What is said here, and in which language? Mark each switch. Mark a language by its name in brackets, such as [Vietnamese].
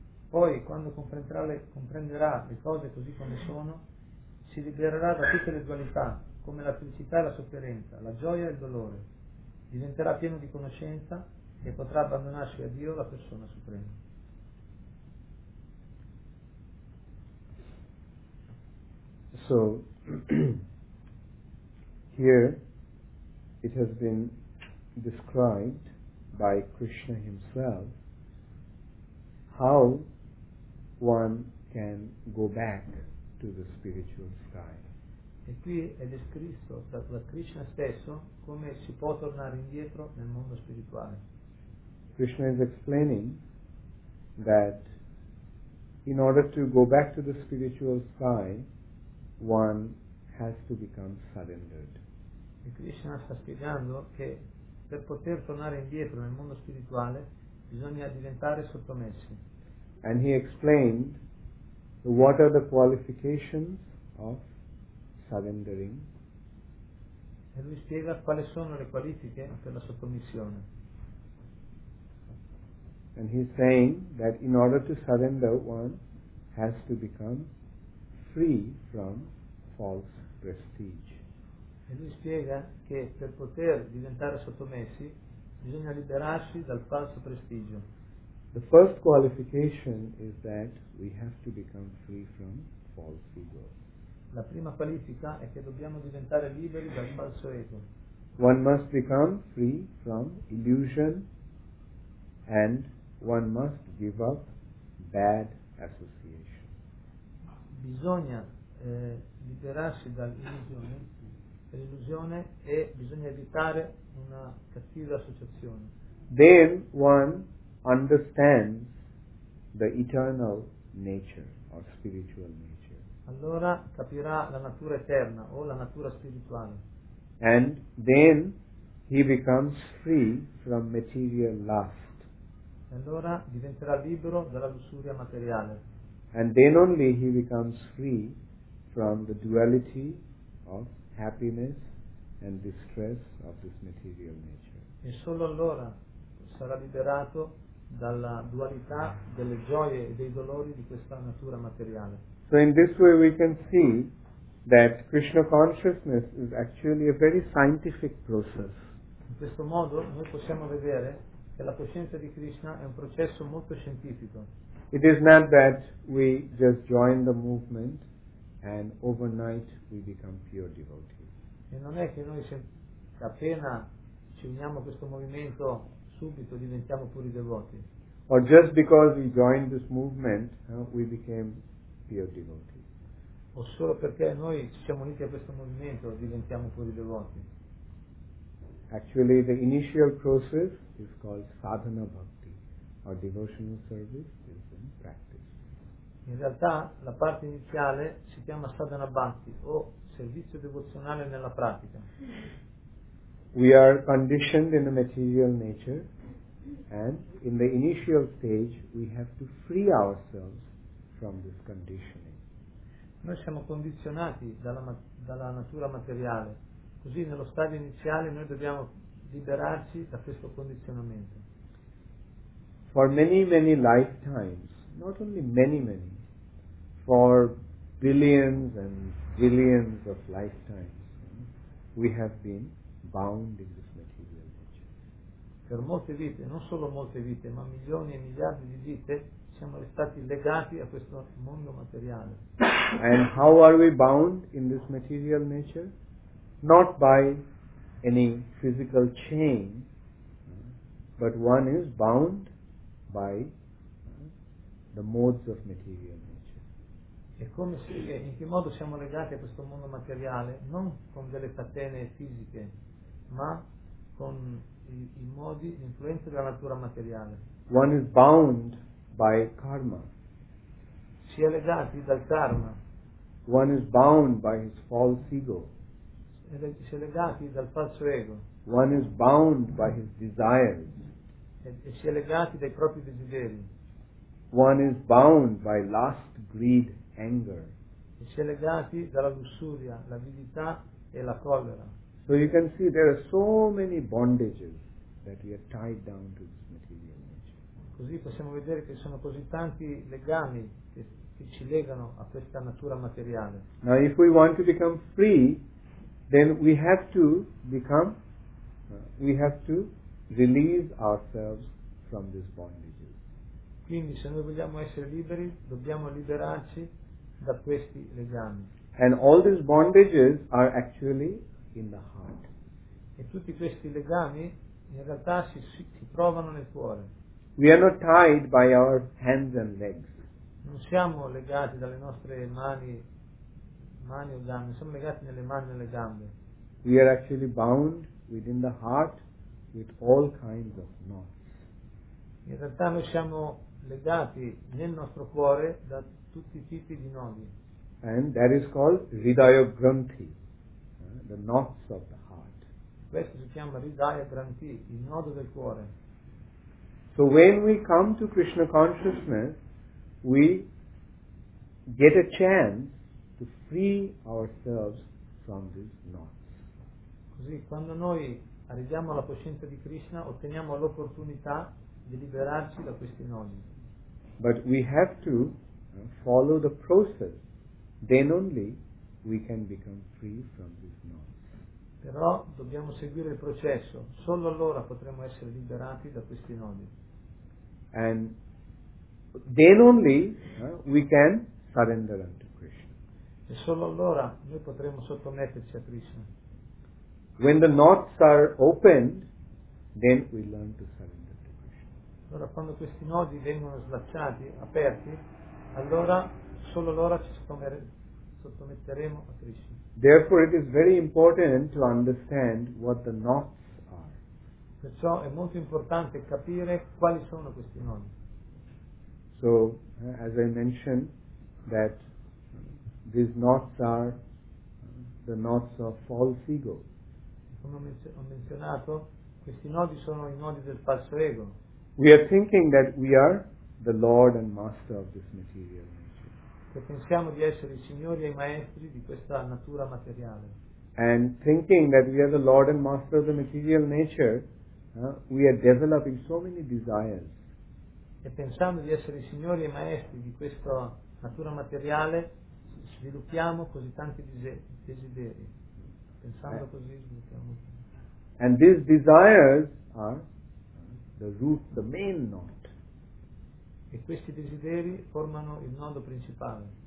[Italian] Poi, quando comprenderà le cose così come sono, si libererà da tutte le dualità, come la felicità e la sofferenza, la gioia e il dolore. Diventerà pieno di conoscenza e potrà abbandonarsi a Dio, la persona suprema. [English] So, here it has been described by Krishna himself how one can go back to the spiritual sky. [Italian] E qui è descritto da Krishna stesso come si può tornare indietro nel mondo spirituale. [English] Krishna is explaining that in order to go back to the spiritual sky, one has to become surrendered. [Italian] E Krishna sta spiegando che per poter tornare indietro nel mondo spirituale bisogna diventare sottomessi. [English] And he explained what are the qualifications of surrendering. [Italian] E lui spiega quali sono le qualifiche per la sottomissione. [English] And he's saying that in order to surrender, one has to become free from false prestige. [Italian] E lui spiega che per poter diventare sottomessi bisogna liberarsi dal falso prestigio. [English] The first qualification is that we have to become free from false ego. [Italian] La prima qualifica è che dobbiamo diventare liberi dal falso ego. [English] One must become free from illusion and one must give up bad association. [Italian] Bisogna liberarsi dall'illusione, dall'illusione, e bisogna evitare una cattiva associazione. [English] Then one understands the eternal nature or spiritual nature. [Italian] Allora capirà la natura eterna o la natura spirituale. [English] And then he becomes free from material lust. [Italian] Allora diventerà libero dalla lussuria materiale. [English] And then only he becomes free from the duality of happiness and distress of this material nature. [Italian] E solo allora sarà liberato dalla dualità delle gioie e dei dolori di questa natura materiale. [English] So in this way we can see that Krishna consciousness is actually a very scientific process. [Italian] In questo modo noi possiamo vedere che la coscienza di Krishna è un processo molto scientifico. [English] It is not that we just join the movement and overnight we become pure devotees. [Italian] E non è che noi appena ci uniamo a questo movimento subito diventiamo puri devoti. [English] Or just because we joined this movement, we became pure devotees. [Italian] O solo perché noi ci siamo uniti a questo movimento diventiamo puri devoti. [English] Actually, the initial process is called sadhana bhakti, or devotional service is in practice. [Italian] In realtà, la parte iniziale si chiama sadhana bhakti, o servizio devozionale nella pratica. [English] We are conditioned in a material nature, and in the initial stage, we have to free ourselves from this conditioning. [Italian] Noi siamo condizionati dalla natura materiale. Così nello stadio iniziale noi dobbiamo liberarci da questo condizionamento. [English] For many, many lifetimes, not only many, many, for billions and billions of lifetimes, we have been bound in this material nature. [Italian] Per molte vite, non solo molte vite, ma milioni e miliardi di vite, siamo stati legati a questo mondo materiale. [English] And how are we bound in this material nature? Not by any physical chain, but one is bound by the modes of material nature. [Italian] E come si, in che modo siamo legati a questo mondo materiale? Non con delle catene fisiche, ma con i modi di influenza della natura materiale. [English] One is bound by karma. [Italian] Si è legati dal karma. [English] One is bound by his false ego. [Italian] Si è legati dal falso ego. [English] One is bound by his desires. [Italian] E si è legati dai propri desideri. [English] One is bound by lust, greed, anger. [Italian] E si è legati dalla lussuria, l'avidità e la collera. [English] So you can see there are so many bondages that we are tied down to this material nature. [Italian] Così possiamo vedere che sono così tanti legami che ci legano a questa natura materiale. [English] Now if we want to become free, then we have to become, we have to release ourselves from these bondages. [Italian] Quindi se noi vogliamo essere liberi, dobbiamo liberarci da questi legami. [English] And all these bondages are actually in the heart. [Italian] E tutti questi legami in realtà si trovano nel cuore. [English] We are not tied by our hands and legs. [Italian] Non siamo legati dalle nostre mani o gambe, siamo legati nelle mani e nelle gambe. [English] We are actually bound within the heart with all kinds of knots. [Italian] In realtà noi siamo legati nel nostro cuore da tutti i tipi di nodi. [English] And that is called Hridaya Granthi, the knots of the heart. [Italian] Questo si chiama Hridaya Granthi, il nodo del cuore. [English] So when we come to Krishna consciousness, we get a chance to free ourselves from these knots. [Italian] Così quando noi arriviamo alla coscienza di Krishna, otteniamo l'opportunità di liberarci da questi nodi. [English] But we have to follow the process, then only we can become free from these knots. [Italian] Però dobbiamo seguire il processo, solo allora potremo essere liberati da questi nodi. [English] And then only we can surrender unto Krishna. [Italian] E solo allora noi potremo sottometterci a Krishna. [English] When the knots are opened, then we learn to surrender to Krishna. [Italian] Allora quando questi nodi vengono slacciati, aperti, allora solo allora ci sottometteremo a Krishna. [English] Therefore it is very important to understand what the knots are. [Italian] Perciò è molto importante capire quali sono questi nodi. [English] So, as I mentioned, that these knots are the knots of false ego. [Italian] Come ho menzionato, questi nodi sono i nodi del falso ego. [English] We are thinking that we are the Lord and Master of this material nature. [Italian] Che pensiamo di essere i signori e i maestri di questa natura materiale. [English] And thinking that we are the Lord and Master of the material nature, we are developing so many desires. [Italian] E pensando di essere i signori e i maestri di questa natura materiale, sviluppiamo così tanti desideri. Pensando così sviluppiamo. [English] And these desires are the root, the main knot. [Italian] E questi desideri formano il nodo principale.